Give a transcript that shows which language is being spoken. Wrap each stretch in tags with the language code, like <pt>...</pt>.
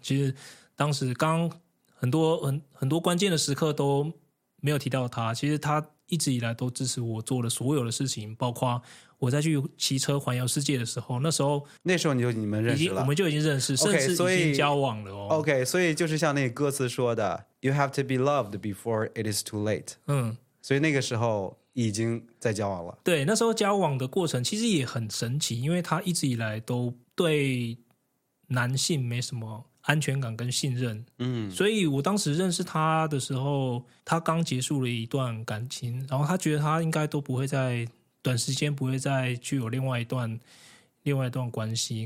<zh>其实当时刚很多关键的时刻都没有提到他，其实他一直以来都支持我做的所有的事情，包括我在去骑车环游世界的时候，那时候你们认识了，我们就已经认识，甚至已经交往了。</zh> <en>OK，</en> <zh>所以就是像那个歌词说的</zh> <en>You have to be loved before it is too late。</en> <zh>嗯，所以那个时候已经在交往了。对，那时候交往的过程其实也很神奇，因为他一直以来都对男性没什么安全感跟信任。嗯，所以我当时认识他的时候，他刚结束了一段感情，然后他觉得他应该都不会在短时间不会再去有另外一段关系。</zh>